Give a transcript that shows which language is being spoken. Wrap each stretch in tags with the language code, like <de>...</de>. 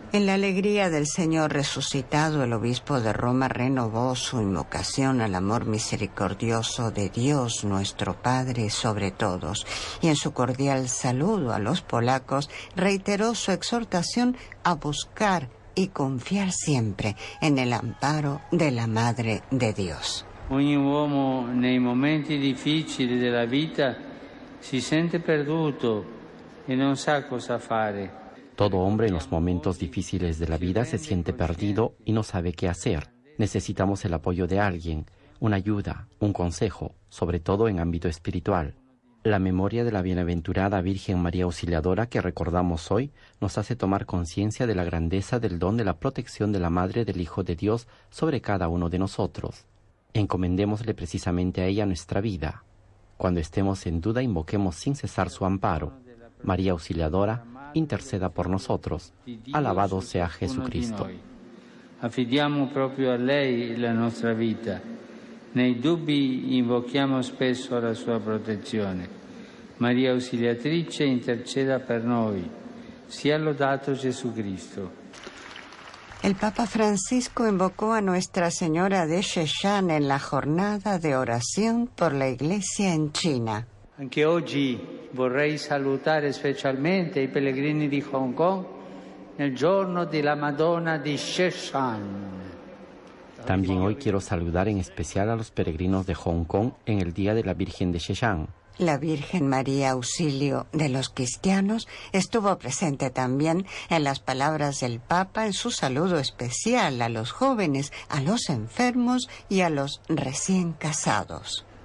<es>En la alegría del Señor resucitado, el obispo de Roma renovó su invocación al amor misericordioso de Dios nuestro Padre sobre todos, y en su cordial saludo a los polacos reiteró su exhortación a buscar y confiar siempre en el amparo de la Madre de Dios.</es> <it>Ogni uomo nei momenti difficili della vita si sente perduto e non sa cosa fare.</it> <es>Todo hombre en los momentos difíciles de la vida se siente perdido y no sabe qué hacer. Necesitamos el apoyo de alguien, una ayuda, un consejo, sobre todo en ámbito espiritual. La memoria de la bienaventurada Virgen María Auxiliadora que recordamos hoy nos hace tomar conciencia de la grandeza del don de la protección de la Madre del Hijo de Dios sobre cada uno de nosotros. Encomendémosle precisamente a ella nuestra vida. Cuando estemos en duda, invoquemos sin cesar su amparo. María Auxiliadora, interceda por nosotros. Alabado sea Jesucristo.</es> <it>Affidiamo proprio a lei la nostra vita. Nei dubbi invochiamo spesso la sua protezione. Maria Auxiliatrice, interceda per noi. Sia lodato Gesù Cristo.</it> <es>El Papa Francisco invocó a Nuestra Señora de Shenzhen en la jornada de oración por la Iglesia en China.</es> <it>Anche oggi vorrei salutare specialmente i pellegrini di Hong Kong nel giorno della Madonna di Shenzhen.</it> <es>También hoy quiero saludar en especial a los peregrinos de Hong Kong en el día de la Virgen de Shenzhen. La Virgen María Auxilio de los Cristianos estuvo presente también en las palabras del Papa en su saludo especial a los jóvenes, a los enfermos y a los recién casados.</es>